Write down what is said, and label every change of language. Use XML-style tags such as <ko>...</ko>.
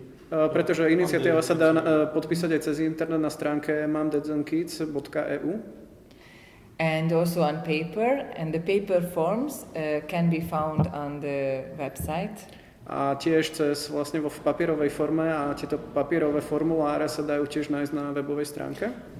<sk>Pretože iniciatíva sa dá podpísať aj cez internet na stránke mom-dad-and-kids.eu.</sk> <en>And also on paper, and the paper forms can be found on the website.</en> <sk>A tiež cez vlastne v papierovej forme a tieto papierové formuláre sa dajú tiež nájsť na webovej stránke.</sk>